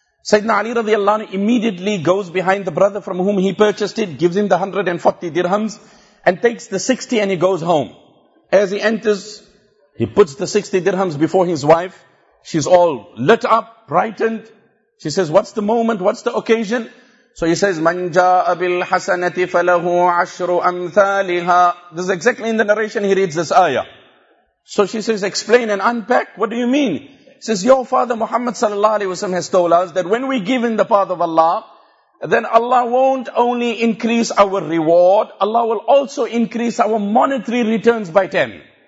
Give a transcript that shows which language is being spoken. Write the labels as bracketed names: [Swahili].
[English] Sayyidina Ali radiallahu anhu immediately goes behind the brother from whom he purchased it, gives him the 140 dirhams, and takes the 60 and he goes home. As he enters, he puts the 60 dirhams before his wife. She's all lit up, brightened. She says, what's the moment? What's the occasion? [Arabic] So he says, مَنْ جَاءَ بِالْحَسَنَةِ فَلَهُ عَشْرُ أَمْثَالِهَا. [English] This is exactly in the narration, he reads this ayah. So she says, explain and unpack, what do you mean? Says, your father Muhammad sallallahu alayhi wa sallam has told us that when we give in the path of Allah, then Allah won't only increase our reward, Allah will also increase our monetary returns by 10.